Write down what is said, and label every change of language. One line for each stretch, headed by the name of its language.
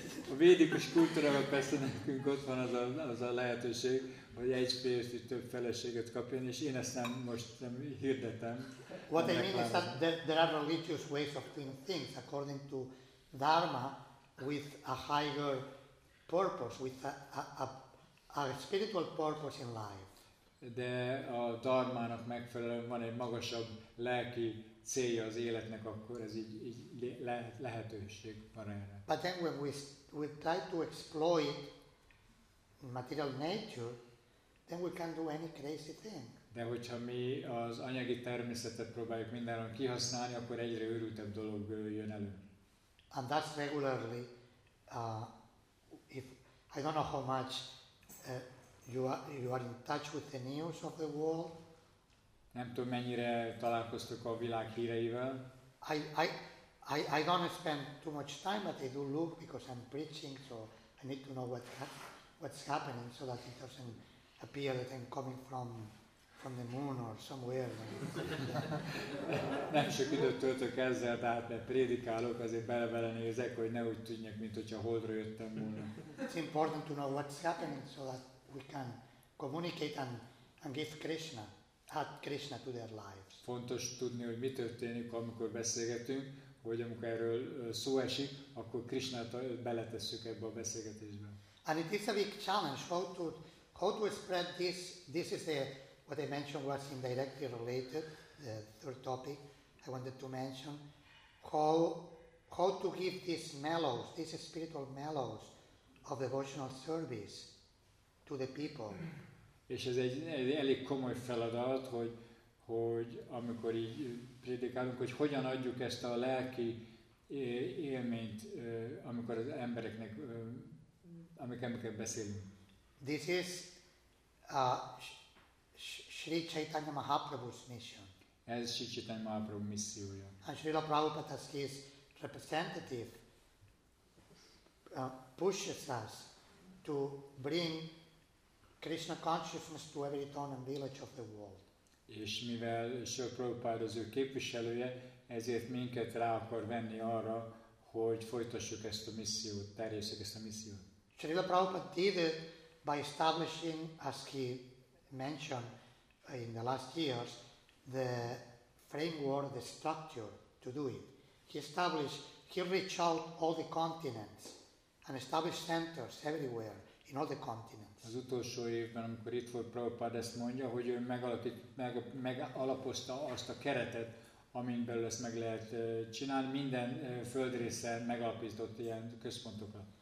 Hungarian: A védikus kultúrában persze nekünk ott van az a lehetőség, hogy egy férfi több feleséget kapjon, és én ezt nem hirdetem.
English: What I mean is that there are religious ways of doing things according to Dharma with a higher purpose, with a spiritual purpose in life.
Hungarian: De a dharmának megfelelően van egy magasabb lelki célja az életnek, akkor ez így lehetőség van erre.
English: But then when we try to exploit material nature, then we can do any crazy thing.
Hungarian: De hogyha mi az anyagi természetet próbáljuk mindenhol kihasználni, akkor egyre őrültebb dolog jön elő.
English: And that's regularly, if I don't know how much you are in touch with the news of the world.
Hungarian: Nem tudom, mennyire találkoztok a világ híreivel.
English: I don't spend too much time, but I do look because I'm preaching, so I need to know what's happening, so that it doesn't appear that I'm coming from on the moon or somewhere.
Hungarian: Nem sok időt töltök ezzel, de hát mert prédikálok, azért bele-bele nézek, hogy ne úgy tűnjek, mint hogyha holdra jöttem volna.
English: It's important to know what's happening so that we can communicate and give Krishna, add Krishna to their lives.
Hungarian: Fontos tudni, hogy mi történik, amikor beszélgetünk, hogy amikor erről szó esik, akkor Krishnát beletesszük ebbe a beszélgetésbe.
English: And it is a big challenge how to spread this. This is the what I mentioned was indirectly related, the third topic I wanted to mention. How to give this mellows, this spiritual mellows of devotional service to the people.
Hungarian: És ez egy elég komoly feladat, hogy amikor így prédikálunk, hogy hogyan adjuk ezt a lelki élményt, amikor az embereknek, amikor beszélünk.
English: This is Sri Chaitanya Mahaprabhu's mission.
Hungarian: Ez Sri Chaitanya Mahaprabhu missziója.
English: And Srila Prabhupada as his representative pushes us to bring Krishna consciousness to every town and village of the world.
Hungarian: És mivel Srila Prabhupada az ő képviselője, ezért minket rá akar venni arra, hogy folytassuk ezt a missziót, terjesszük ezt a missziót.
English: Srila Prabhupada did it by establishing, as he mentioned in the last years, the framework, the structure to do it. He reached out all the continents and established centers everywhere in all the continents.
Hungarian: Az utolsó évben, amikor itt volt, Prabhupada ezt mondja, hogy ő megalapozta azt a keretet, amin belül ezt meg lehet csinálni, minden földrészre megalapított ilyen központokat.